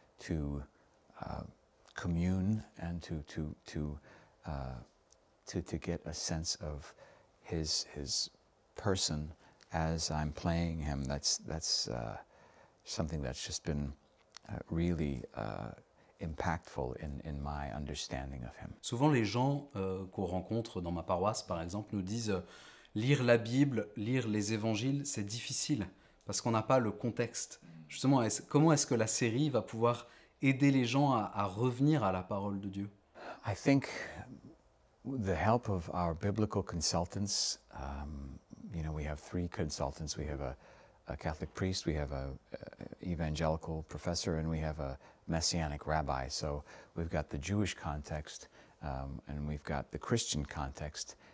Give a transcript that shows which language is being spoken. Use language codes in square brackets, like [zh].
[en] to commune and to get a sense of his person as I'm playing him. That's something that's just been really impactful in my understanding of him. [fr] Souvent les gens qu'on rencontre dans ma paroisse par exemple nous disent lire la Bible, lire les évangiles, c'est difficile parce qu'on n'a pas le contexte. Justement, comment est-ce que la série va pouvoir aider les gens à revenir à la parole de Dieu? [en] I think the help of our biblical consultants, you know, we have three consultants. We have a Catholic priest, we have a evangelical professor, and we have a messianic rabbi. So we've got the Jewish context, and we've got the Christian context.